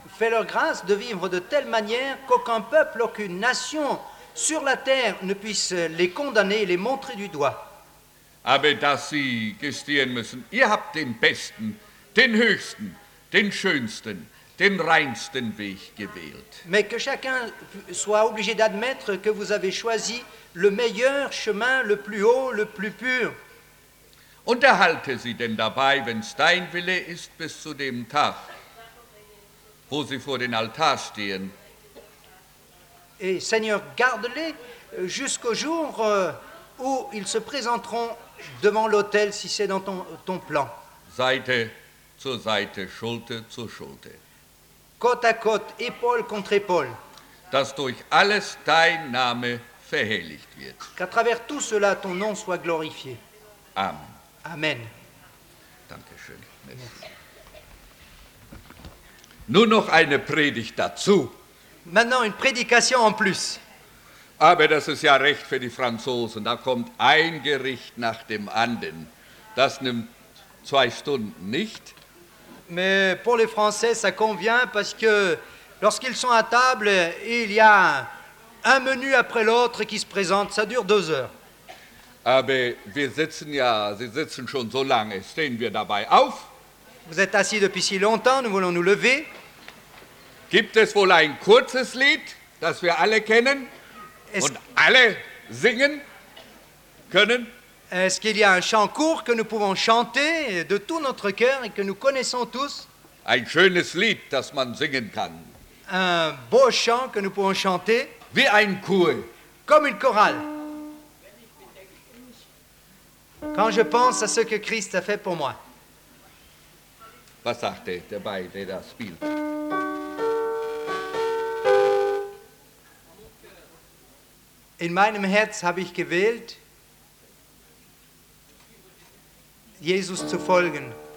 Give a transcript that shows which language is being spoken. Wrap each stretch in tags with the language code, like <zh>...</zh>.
<fr>Fais leur grâce de vivre de telle manière qu'aucun peuple, aucune nation sur la terre ne puisse les condamner, les montrer du doigt.</fr> <de>Aber dass sie gestehen müssen, ihr habt den besten, den höchsten, den schönsten, den reinsten Weg gewählt.</de> <fr>Mais que chacun soit obligé d'admettre que vous avez choisi le meilleur chemin, le plus haut, le plus pur.</fr> <de>Und erhalte sie denn dabei, wenn's dein Wille ist, bis zu dem Tag, wo sie vor den Altar stehen.</de> <fr>Et Seigneur, garde-les jusqu'au jour où ils se présenteront devant l'autel, si c'est dans ton plan.</fr> <de>Seite zur Seite, Schulter zur Schulter.</de> <fr>Côte à côte, épaule contre épaule.</fr> <de>Dass durch alles dein Name verherrlicht wird.</de> <fr>Qu'à travers tout cela, ton nom soit glorifié.</fr> <de>Amen.</de> <fr>Amen.</fr> <de>Dankeschön.</de> <fr>Merci.</fr> <de>Nur noch eine Predigt dazu.</de> <fr>Maintenant une prédication en plus.</fr> <de>Aber das ist ja recht für die Franzosen. Da kommt ein Gericht nach dem anderen. Das nimmt zwei Stunden nicht.</de> <fr>Mais pour les Français, ça convient parce que lorsqu'ils sont à table, il y a un menu après l'autre qui se présente. Ça dure deux heures.</fr> <de>Aber wir sitzen ja, sie sitzen schon so lange. Stehen wir dabei auf?</de> <fr>Vous êtes assis depuis si longtemps, nous voulons nous lever.</fr> <de>Gibt es wohl ein kurzes Lied, das wir alle kennen und alle singen können?</de> <fr>Est-ce qu'il y a un chant court que nous pouvons chanter de tout notre cœur et que nous connaissons tous?</fr> <de>Ein schönes Lied, das man singen kann.</de> <fr>Un beau chant que nous pouvons chanter.</fr> <de>Wie ein Chor.</de> <fr>Comme une chorale. Quand je pense à ce que Christ a fait pour moi.</fr> <de>Was sagt der Bei, der das spielt? In meinem Herz habe ich gewählt, Jesus zu folgen.</de>